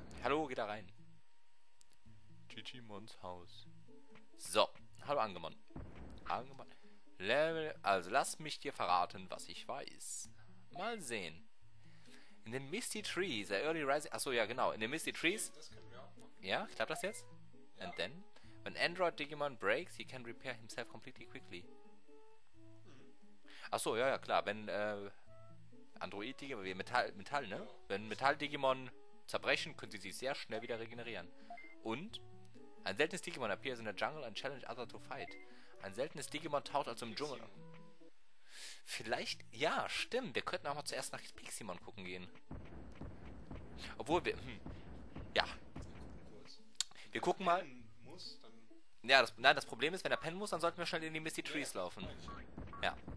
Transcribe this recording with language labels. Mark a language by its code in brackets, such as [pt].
[de] Hallo, geht da rein. Digimons Haus. So. Hallo Angemon. Angemon. Level. Also lass mich dir verraten, was ich weiß. Mal sehen. In den Misty Trees, [en] the early rising. [de] Achso, ja, genau. In den Misty Trees. Das können wir auch machen. Ja, klappt das jetzt? Ja. [en] And then? When Android Digimon breaks, he can repair himself completely quickly. [de] Achso, ja, ja, klar. Wenn Android Digimon. Wie Metall, ne? Ja. Wenn Metall Digimon zerbrechen, können sie sich sehr schnell wieder regenerieren. Und? Ein seltenes [en] Digimon appears in the jungle and challenge other to fight. [de] Ein seltenes Digimon taucht also im Dschungel. Vielleicht, ja, stimmt. Wir könnten auch mal zuerst nach Piximon gucken gehen. Obwohl wir. Ja. Wir gucken mal. Ja, das Problem ist, wenn er pennen muss, dann sollten wir schnell in die Misty Trees laufen. Ja.